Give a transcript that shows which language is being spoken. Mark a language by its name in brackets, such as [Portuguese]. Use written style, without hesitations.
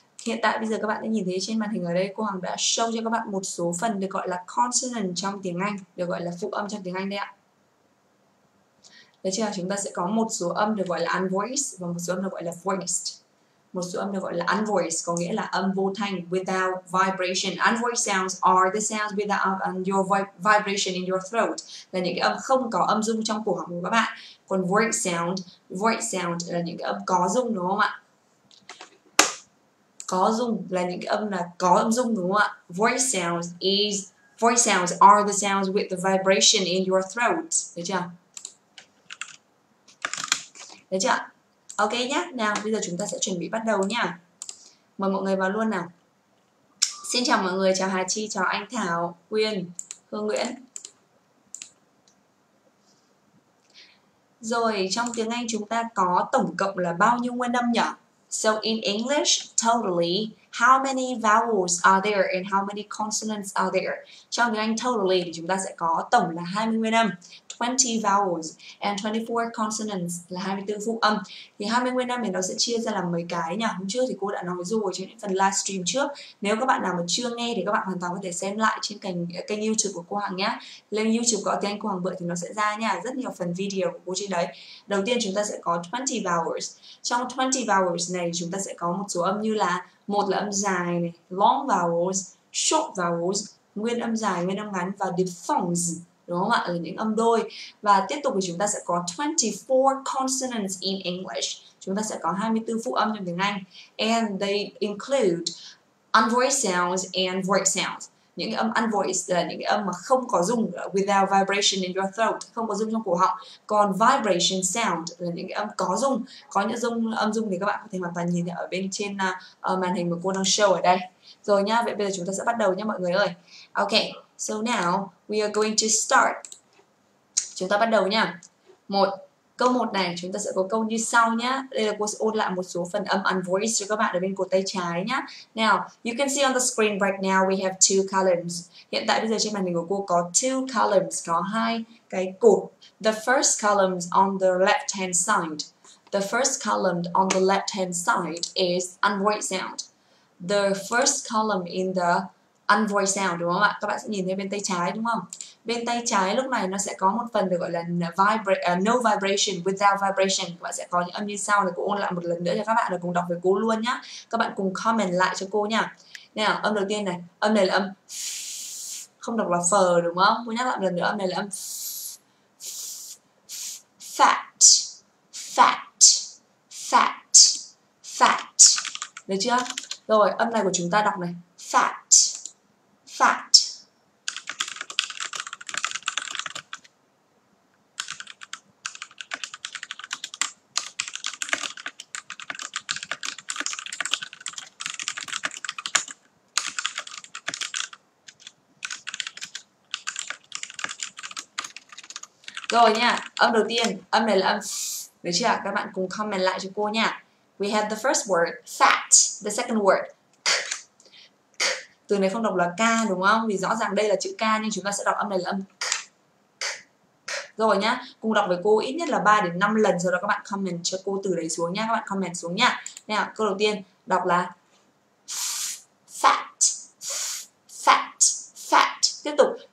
[Vietnamese] Hiện tại bây giờ các bạn đã nhìn thấy trên màn hình ở đây, cô Hằng đã show cho các bạn một số phần được gọi là consonant trong tiếng Anh, được gọi là phụ âm trong tiếng Anh đấy ạ. Đấy chưa, chúng ta sẽ có một số âm được gọi là unvoiced và một số âm được gọi là voiced. Một số âm được gọi là unvoiced có nghĩa là âm vô thanh, [English] without vibration. Unvoiced sounds are the sounds without your vibration in your throat. [Vietnamese] Là những cái âm không có âm rung trong cổ họng của các bạn. Còn voiced sound là những cái âm có rung đúng không ạ? Có rung là những cái âm là có âm rung đúng không ạ? [English] Voiced sounds are the sounds with the vibration in your throat. [Vietnamese] Được chưa? Ok nhá, nào bây giờ chúng ta sẽ chuẩn bị bắt đầu nhá. Mời mọi người vào luôn nào. Xin chào mọi người, chào Hà Chi, chào Anh Thảo, Quyên, Hương Nguyễn. Rồi, trong tiếng Anh chúng ta có tổng cộng là bao nhiêu nguyên âm nhỉ? [English] So in English, totally, how many vowels are there and how many consonants are there? [Vietnamese] Trong tiếng Anh totally thì chúng ta sẽ có tổng là 20 nguyên âm, [English] 20 vowels and 24 consonants [Vietnamese] là 24 phụ âm. Thì 20 nguyên âm thì nó sẽ chia ra làm mấy cái nhỉ? Hôm trước thì cô đã nói rồi trên phần livestream trước. Nếu các bạn nào mà chưa nghe thì các bạn hoàn toàn có thể xem lại trên kênh YouTube của cô Hằng nhé. Lên YouTube có tiếng Anh cô Hằng bựa thì nó sẽ ra nha, rất nhiều phần video của cô trên đấy. Đầu tiên chúng ta sẽ có 20 vowels. Trong 20 vowels này chúng ta sẽ có một số âm như là một là âm dài này, long vowels, short vowels, nguyên âm dài, nguyên âm ngắn và diphthongs. Đúng không ạ? Là những âm đôi. Và tiếp tục thì chúng ta sẽ có [English] 24 consonants in English. [Vietnamese] Chúng ta sẽ có 24 phụ âm trong tiếng Anh. [English] And they include unvoiced sounds and voiced sounds. [Vietnamese] Những âm unvoiced là những âm mà không có rung, [English] without vibration in your throat, [Vietnamese] không có rung trong cổ họng. Còn vibration sound là những âm có rung. Có những âm rung thì các bạn có thể hoàn toàn nhìn thấy ở bên trên màn hình mà cô đang show ở đây. Rồi nha, vậy bây giờ chúng ta sẽ bắt đầu nha mọi người ơi. [English] Ok, so now we are going to start. [Vietnamese] Chúng ta bắt đầu nha. Một, câu 1 này chúng ta sẽ có câu như sau nhá. Đây là cô sẽ ôn lại một số phần âm unvoiced cho các bạn ở bên cổ tay trái nhá. [English] Now, you can see on the screen right now we have two columns. [Vietnamese] Hiện tại bây giờ trên màn hình của cô có [English] two columns, [Vietnamese] có hai cái cột. [English] The first column on the left hand side. The first column on the left hand side is unvoiced sound. The first column in the unvoiced sound, [Vietnamese] đúng không ạ? Các bạn sẽ nhìn thấy bên tay trái đúng không? Bên tay trái lúc này nó sẽ có một phần được gọi là [English] no vibration, without vibration. [Vietnamese] Các bạn sẽ có những âm như sau để cô ôn lại một lần nữa cho các bạn, để cùng đọc với cô luôn nhá. Các bạn cùng comment lại cho cô nhá. Nào, âm đầu tiên này, âm này là âm không đọc là phờ đúng không? Cô nhắc lại lần nữa, âm này là âm f, được chưa? Rồi, âm này của chúng ta đọc này, fat, fat. Rồi nha, âm đầu tiên, âm này là âm s, được chưa? Các bạn cùng comment lại cho cô nha. [English] We have the first word, fat, the second word, k, k. [Vietnamese] Từ này không đọc là k đúng không? Vì rõ ràng đây là chữ k nhưng chúng ta sẽ đọc âm này là âm k, k, k. Rồi nhá, cùng đọc với cô ít nhất là 3 đến 5 lần, sau đó các bạn comment cho cô từ đấy xuống nha, các bạn comment xuống nha. Nè, câu đầu tiên đọc là fat, fat, fat, tiếp tục.